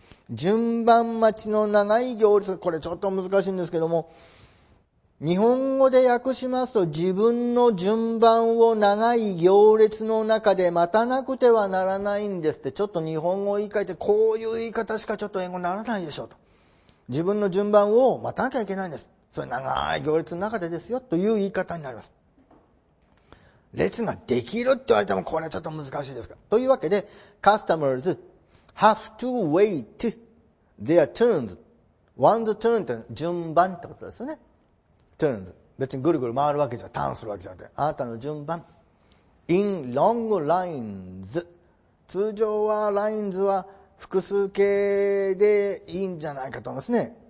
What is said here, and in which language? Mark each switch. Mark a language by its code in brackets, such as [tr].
[ja] 順番待ちの長い行列、これちょっと難しいんですけども、日本語で訳しますと、自分の順番を長い行列の中で待たなくてはならないんですって。ちょっと日本語を言い換えて、こういう言い方しかちょっと英語にならないでしょうと。自分の順番を待たなきゃいけないんです、それ長い行列の中でですよ、という言い方になります。列ができるって言われてもこれはちょっと難しいですか。というわけで、 [en] Customers have to wait their turns。 [ja] One's turn って順番ってことですよね。turns、 別にぐるぐる回るわけじゃ、ターンするわけじゃなくて、あなたの順番。 in long lines、 通常はラインズは複数形でいいんじゃないかと思いますね。